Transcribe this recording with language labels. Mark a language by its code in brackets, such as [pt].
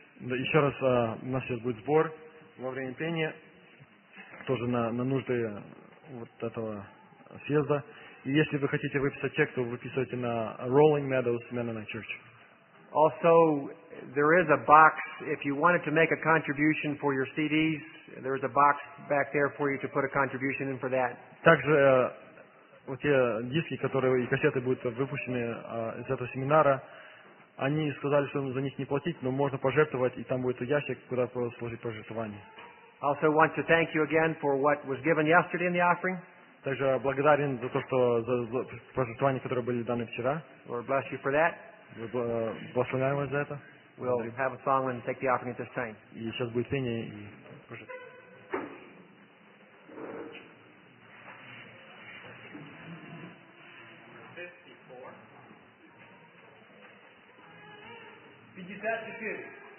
[ru] Да, еще раз, у нас сейчас будет сбор во время пения, тоже на нужды вот этого съезда. И если вы хотите выписать чек, то выписывайте на Rolling Meadows Mennonite Church. [en] Also, there is a box, if you wanted to make a contribution for your CDs, there is a box back there for you to put a contribution in for that. [ru] Также вот те диски, которые и кассеты будут выпущены из этого семинара, они сказали, что за них не платить, но можно пожертвовать, и там будет ящик, куда сложить пожертвование. [en] Also want to thank you again for what was given yesterday in the offering. [ru] Также благодарен за то, что за пожертвования, которые были даны вчера. [en] Lord bless you for that. [ru] Благословляем вас за это. [en] We'll have a song and take the offering at this time. [ru] И сейчас будет пение и [en] Thank you.